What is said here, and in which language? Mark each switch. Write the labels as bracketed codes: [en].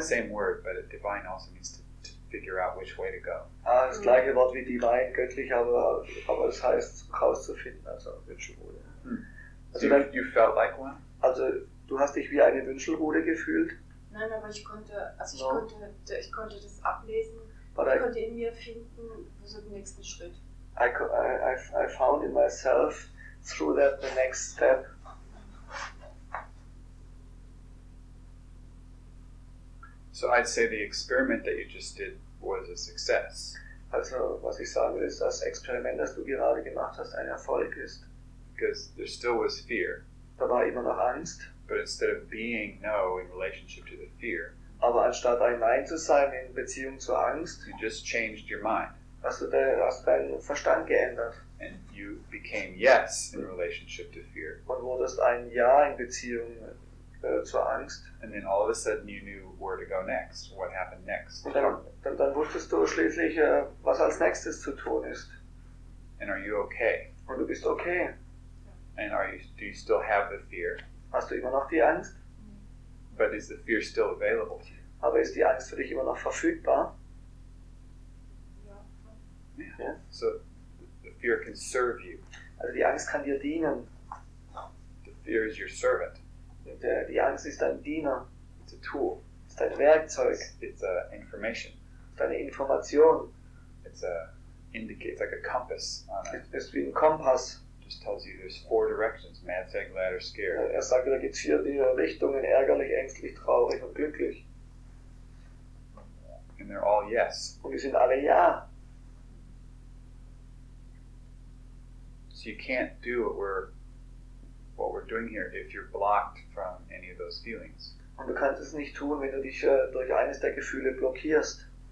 [en] Yeah, same word, but a divine also means to figure out which way to go. [de] Das gleiche Wort wie divine, göttlich, aber es heißt rauszufinden, also Wünschelrute. [en] So you felt like one? [de] Also, du hast dich wie eine Wünschelrute gefühlt? Nein, aber ich konnte das ablesen. Ich konnte in mir finden, wo ist der nächste Schritt? [en] I found in myself through that the next step. So I'd say the experiment that you just did was a success. [de] Also, was ich sagen will, ist, das Experiment, das du gerade gemacht hast, ein Erfolg ist. [en] Because there still was fear. [de] Da war immer noch Angst. [en] But instead of being no in relationship to the fear, [de] aber anstatt ein Nein zu sein in Beziehung zur Angst, [en] you just changed your mind. [de] Hast deinen Verstand geändert. [en] And you became yes in relationship to fear. [de] Und wurdest ein Ja in Beziehung zur Angst. [en] And then all of a sudden you knew where to go next, what happened next. [de] Und dann wusstest du schließlich, was als nächstes zu tun ist. [en] And are you okay? [de] Und du bist okay. [en] And do you still have the fear? [de] Hast du immer noch die Angst? [en] But is the fear still available? [de] Aber ist die Angst für dich immer noch verfügbar? [en] Yeah. So the fear can serve you. [de] Also die Angst kann dir dienen. [en] The fear is your servant. [de] Die Angst ist dein Diener. [en] It's a tool. [de] Ist dein Werkzeug. [en] It's a information. [de] Ist deine Information. [en] It's a indicator, like a compass. [de] Ist wie ein Kompass. [en] Just tells you there's four directions: mad, sad, glad, or scared. [de] Er sagt, da gibt's vier Richtungen: ärgerlich, ängstlich, traurig und glücklich. [en] And they're all yes. [de] Und die sind alle ja. [en] So you can't do what we're doing here if you're blocked from any of those feelings. [de] Und du kannst es nicht tun, wenn du dich durch eines der Gefühle blockierst.